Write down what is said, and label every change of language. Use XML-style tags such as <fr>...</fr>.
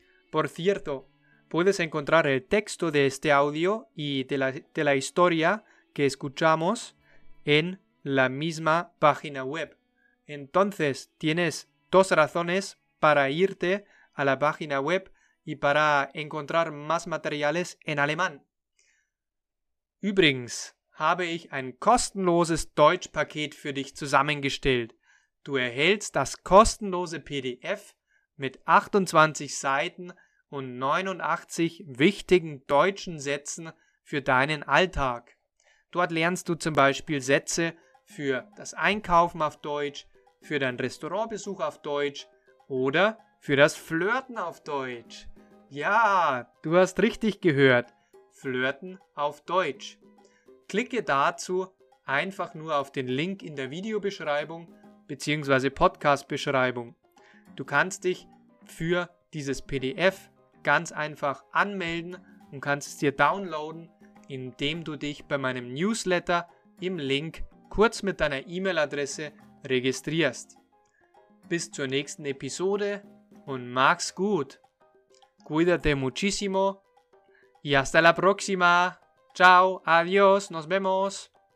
<es>Por cierto, puedes encontrar el texto de este audio y de la historia que escuchamos en la misma página web. Entonces, tienes dos razones para irte a la página web y para encontrar más materiales en alemán.</es> <de>Übrigens habe ich ein kostenloses Deutschpaket für dich zusammengestellt. Du erhältst das kostenlose PDF mit 28 Seiten und 89 wichtigen deutschen Sätzen für deinen Alltag. Dort lernst du zum Beispiel Sätze für das Einkaufen auf Deutsch, für deinen Restaurantbesuch auf Deutsch oder für das Flirten auf Deutsch. Ja, du hast richtig gehört. Flirten auf Deutsch. Klicke dazu einfach nur auf den Link in der Videobeschreibung bzw. Podcast-Beschreibung. Du kannst dich für dieses PDF ganz einfach anmelden und kannst es dir downloaden, indem du dich bei meinem Newsletter im Link kurz mit deiner E-Mail-Adresse registrierst. Bis zur nächsten Episode und mach's gut.</de> <es>Cuídate muchísimo y hasta la próxima. Chao, adiós, nos vemos.</es>